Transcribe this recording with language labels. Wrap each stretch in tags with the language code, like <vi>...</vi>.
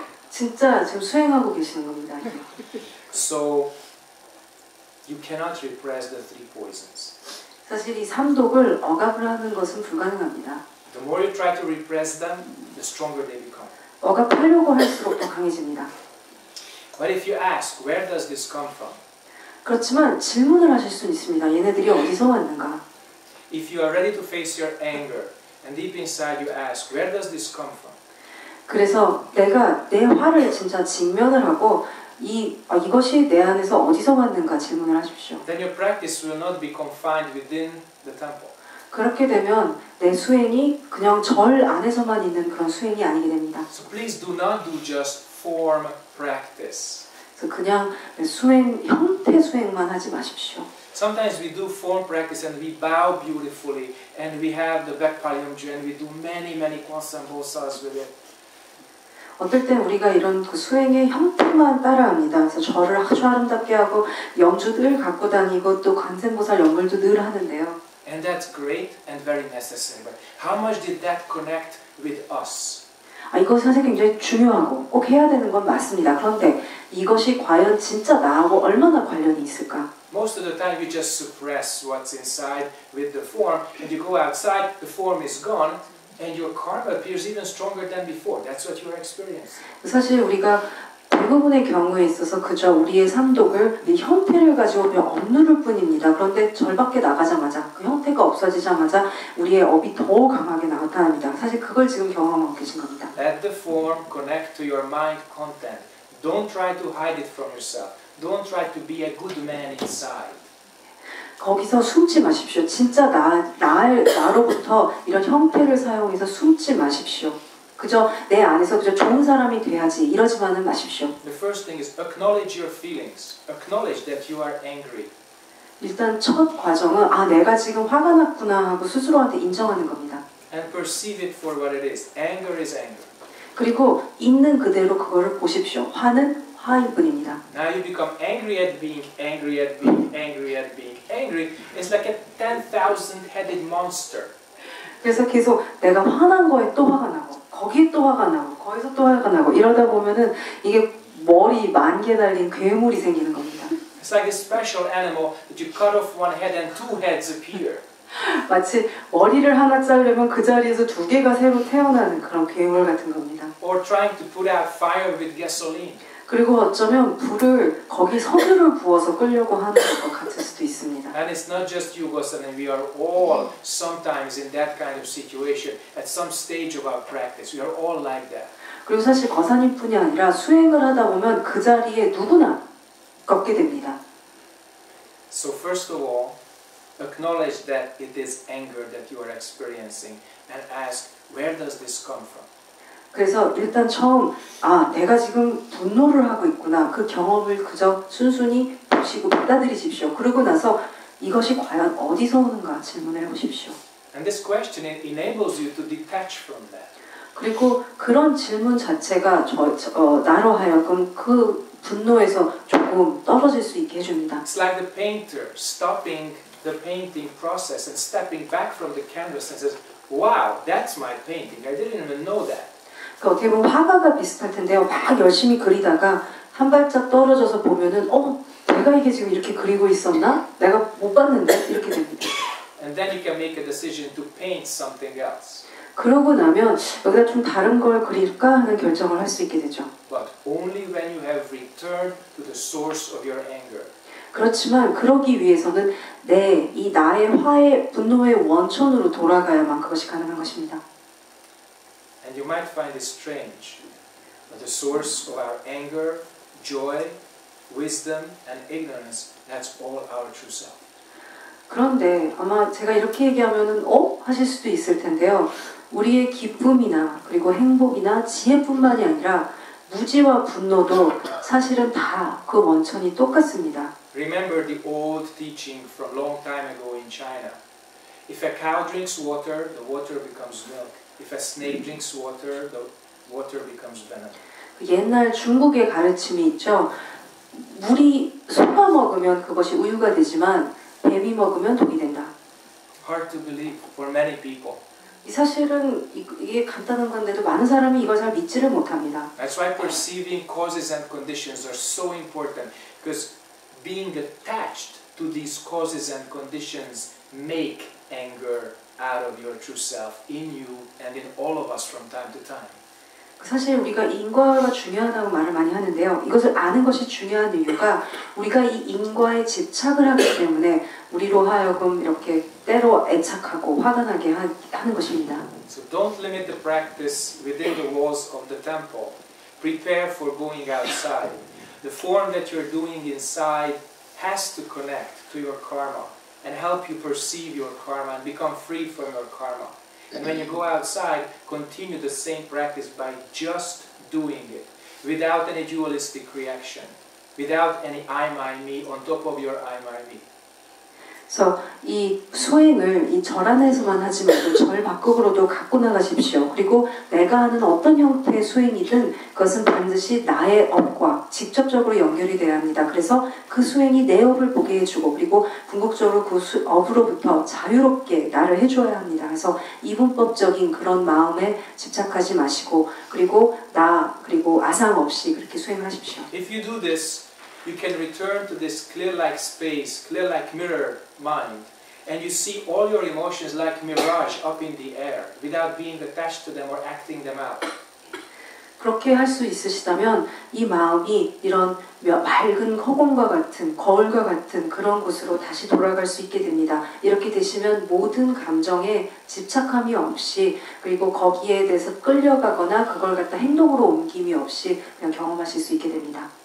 <ko>진짜 지금 수행하고 계시는 겁니다.</ko> <en>So you cannot repress the three poisons.</en> <ko>사실 이 삼독을 억압을 하는 것은 불가능합니다.</ko> <en>The more you try to repress them, the stronger they become.</en> <ko>억압하려고 할수록 더 강해집니다.</ko> <en>But if you ask, where does this come from?</en> <ko>그렇지만 질문을 하실 수 있습니다. 얘네들이 어디서 왔는가?</ko> <en>If you are ready to face your anger, and deep inside you ask, where does this come from?</en> <ko>그래서 내가 내 화를 진짜 직면을 하고 이것이 내 안에서 어디서 왔는가 질문을 하십시오.</ko> <en>Then your practice will not be confined within the temple.</en> <ko>그렇게 되면 내 수행이 그냥 절 안에서만 있는 그런 수행이 아니게 됩니다.</ko> <en>So please do not do just form practice.</en> <ko>그래서 그냥 수행 형태 수행만 하지 마십시오.</ko> <en>Sometimes we do form practice and we bow beautifully and we have the back palyamju and we do many kwangsam bulsas with it.</en> <ko>어떨 때 우리가 이런 그 수행의 형태만 따라합니다. 그래서 절을 아주 아름답게 하고 염주들 갖고 다니고 또 관세음보살 염물도 늘 하는데요.</ko> <en>And that's great and very necessary. But how much did that connect with us?</en> <ko>아, 이것이 사실 굉장히 중요하고 꼭 해야 되는 건 맞습니다. 그런데 이것이 과연 진짜 나하고 얼마나 관련이 있을까?</ko> <en>Most of the time, you just suppress what's inside with the form, and you go outside. The form is gone, and your karma appears even stronger than before. That's what you're experiencing.</en> <ko>사실 우리가 대부분의 경우에 있어서 그저 우리의 삼독을 이 형태를 가지고 억누를 뿐입니다. 그런데 절밖에 나가자마자 그 형태가 없어지자마자 우리의 업이 더 강하게 나타납니다. 사실 그걸 지금 경험하고 계신 겁니다.</ko> <en>Let the form connect to your mind content. Don't try to hide it from yourself. Don't try to be a good man inside.</en> <ko>거기서 숨지 마십시오. 진짜 나로부터 이런 형태를 사용해서 숨지 마십시오. 그저 내 안에서 그저 좋은 사람이 돼야지 이러지만은 마십시오.</ko> <en>The first thing is acknowledge your feelings. Acknowledge that you are angry.</en> <ko>일단 첫 과정은 아 내가 지금 화가 났구나 하고 스스로한테 인정하는 겁니다.</ko> <en>And perceive it for what it is. Anger is anger.</en> <ko>그리고 있는 그대로 그거를 보십시오. 화는 화일 뿐입니다.</ko> <en>Now you become angry at being angry at being angry at being angry. It's like a 10,000-headed monster.</en> <ko>그래서 계속 내가 화난 거에 또 화가 나고 거기에 또 화가 나고 거기서 또 화가 나고 이러다 보면은 이게 머리 만 개 달린 괴물이 생기는 겁니다.</ko> <en>It's like a special animal that you cut off one head and two heads appear.</en> <ko>마치 머리를 하나 자르면 그 자리에서 두 개가 새로 태어나는 그런 괴물 같은 겁니다.</ko> <en>Or trying to put out fire with gasoline.</en> <ko>그리고 어쩌면 불을 거기 석유를 부어서 끌려고 하는 것 같을 수도 있습니다.</ko> <en>And it's not just you, Gosanam. We are all sometimes in that kind of situation at some stage of our practice. We are all like that.</en> <ko>그리고 사실 거사님뿐이 아니라 수행을 하다 보면 그 자리에 누구나 걷게 됩니다.</ko> <en>So first of all, acknowledge that it is anger that you are experiencing and ask, where does this come from?</en> <ko>그래서 일단 처음 아 내가 지금 분노를 하고 있구나 그 경험을 그저 순순히 보시고 받아들이십시오. 그러고 나서 이것이 과연 어디서 오는가 질문을 해보십시오.</ko> <en>And this question enables you to detach from that.</en> <ko>그리고 그런 질문 자체가 나로 하여금 그 분노에서 조금 떨어질 수 있게 해줍니다.</ko> <en>It's like the painter stopping the painting process and stepping back from the canvas and says, "Wow, that's my painting. I didn't even know that."</en> <ko>어떻게 보면 화가가 비슷할 텐데요. 막 열심히 그리다가 한 발짝 떨어져서 보면은 어? 내가 이게 지금 이렇게 그리고 있었나? 내가 못 봤는데? 이렇게 됩니다.</ko> <en>And then you can make a decision to paint something else.</en> <ko>그러고 나면 여기다 좀 다른 걸 그릴까 하는 결정을 할 수 있게 되죠.</ko> <en>But only when you have returned to the source of your anger.</en> <ko>그렇지만 그러기 위해서는 내 이 나의 화의 분노의 원천으로 돌아가야만 그것이 가능한 것입니다.</ko> <en>And you might find it strange, but the source of our anger, joy, wisdom, and ignorance, that's all our true self.</en> <ko>그런데 아마 제가 이렇게 얘기하면은 어? 하실 수도 있을 텐데요. 우리의 기쁨이나 그리고 행복이나 지혜뿐만이 아니라 무지와 분노도 사실은 다 그 원천이 똑같습니다.</ko> <en>Remember the old teaching from long time ago in China. If a cow drinks water, the water becomes milk. If a snake drinks water, the water becomes venom.</en> <ko>옛날 중국의 가르침이 있죠. 물이 소가 먹으면 그것이 우유가 되지만 뱀이 먹으면 독이 된다.</ko> <en>Hard to believe for many people.</en> <ko>이 사실은 이게 간단한 건데도 많은 사람이 이걸 잘 믿지를 못합니다.</ko> <en>That's why perceiving causes and conditions are so important, because being attached to these causes and conditions make anger out of your true self in you and in all of us from time to time.</en> <ko>사실 우리가 인과가 중요하다고 말을 많이 하는데요. 이것을 아는 것이 중요한 이유가 우리가 이 인과에 집착을 하기 때문에 우리로 하여금 이렇게 때로 애착하고 화가 나게 하는 것입니다.</ko> <en>So don't limit the practice within the walls of the temple. Prepare for going outside. The form that you're doing inside has to connect to your karma and help you perceive your karma and become free from your karma. And when you go outside, continue the same practice by just doing it, without any dualistic reaction, without any I, my, me on top of your I, my, me.</en> <ko>So, 이 수행을 이 절 안에서만 하지 말고 절 밖으로도 갖고 나가십시오. 그리고 내가 하는 어떤 형태의 수행이든 그것은 반드시 나의 업과 직접적으로 연결이 돼야 합니다. 그래서 그 수행이 내 업을 보게 해주고 그리고 궁극적으로 그 업으로부터 자유롭게 나를 해줘야 합니다. 그래서 이분법적인 그런 마음에 집착하지 마시고 그리고 나 그리고 아상 없이 그렇게 수행하십시오.</ko> <en>If you do this, you can return to this clear-like space, clear-like mirror mind, and you see all your emotions like mirage up in the air, without being attached to them or acting them out.</en> <ko>그렇게 할 수 있으시다면 이 마음이 이런 맑은 허공과 같은 거울과 같은 그런 곳으로 다시 돌아갈 수 있게 됩니다. 이렇게 되시면 모든 감정에 집착함이 없이 그리고 거기에 대해서 끌려가거나 그걸 갖다 행동으로 옮김이 없이 그냥 경험하실 수 있게 됩니다.</ko>